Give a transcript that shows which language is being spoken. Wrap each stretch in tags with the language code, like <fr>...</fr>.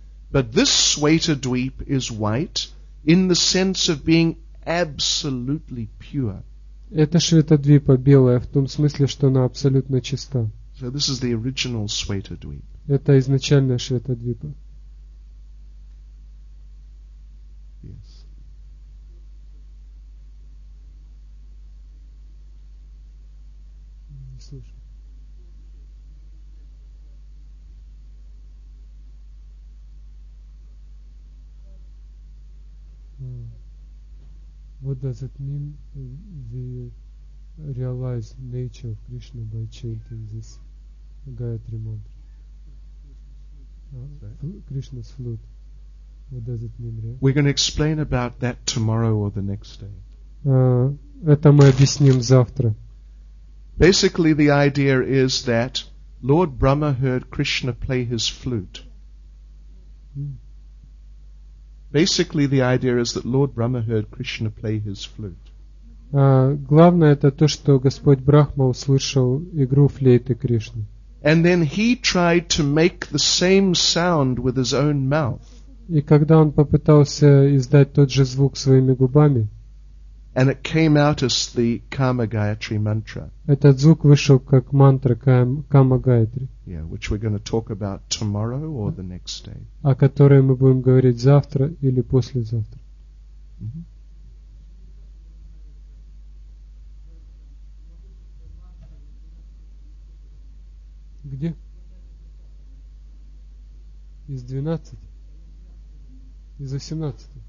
<en>But this Shvetadvip is white in the sense of being absolutely pure.</en> <ru>Это Шветадвипа белая в том смысле, что она абсолютно чиста.</ru> <en>So this is the original Shvetadvip.</en> <ru>Это изначальная Шветадвипа.</ru> <en>Yes.</en> <ru>Не слышу.</ru> <en>What does it mean? We realize nature of Krishna by chanting this Gayatri mantra. Krishna's flute. What does it mean? We're going to explain about that tomorrow or the next day.</en> <ru>Это мы объясним завтра.</ru> <en>Basically, the idea is that Lord Brahma heard Krishna play his flute. Basically, the idea is that Lord Brahma heard Krishna play his flute.</en> <ru>Главное это то, что Господь Брахма услышал игру флейты Кришны.</ru> <en>And then he tried to make the same sound with his own mouth.</en> <ru>И когда он попытался издать тот же звук своими губами,</ru> <en>and it came out as the Kama Gayatri mantra.</en> <ru>Этот звук вышел как мантра Кама Гаятри.</ru> <en>Yeah, which we're going to talk about tomorrow or the next day.</en> <ru>О которой мы будем говорить завтра или послезавтра. Где? Из 12? Из 18?</ru>